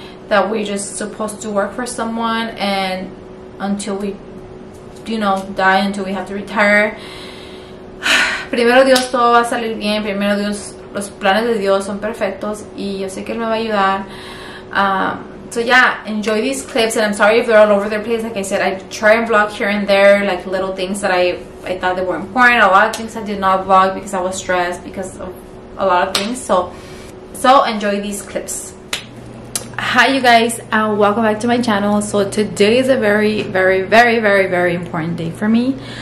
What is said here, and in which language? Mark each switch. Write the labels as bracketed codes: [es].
[en] That we're just supposed to work for someone and until we, you know, die, until we have to retire. [es] Primero Dios, todo va a salir bien. Primero Dios, los planes de Dios son perfectos. Y yo sé que Él me va a ayudar. [en] So yeah, enjoy these clips. And I'm sorry if they're all over the place. Like I said, I try and vlog here and there. Like little things that I thought they were important. A lot of things I did not vlog because I was stressed. Because of a lot of things. So enjoy these clips. Hi you guys, and welcome back to my channel. So today is a very, very, very, very, very important day for me.